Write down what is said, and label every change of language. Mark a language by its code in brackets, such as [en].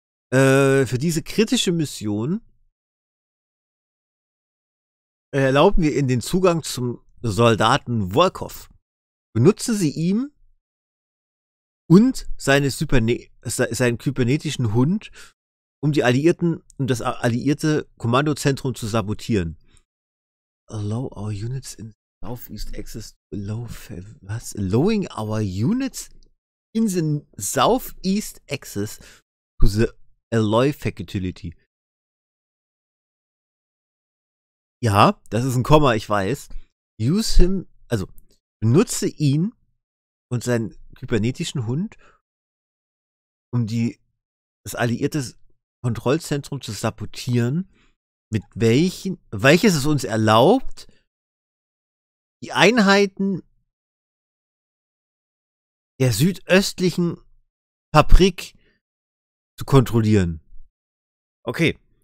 [de] Für diese kritische Mission erlauben wir Ihnen den Zugang zum Soldaten Volkov. Benutzen Sie ihn und seinen kybernetischen Hund, um die Alliierten und das alliierte Kommandozentrum zu sabotieren. [en] Allow our units in Southeast access to low was? Allowing our units in the Southeast access to the alloy facility. [de] Ja, das ist ein Komma, ich weiß. [en] Use him, [de] also benutze ihn und seinen kybernetischen Hund, um das alliierte Kontrollzentrum zu sabotieren, welches es uns erlaubt, die Einheiten der südöstlichen Fabrik zu kontrollieren. Okay.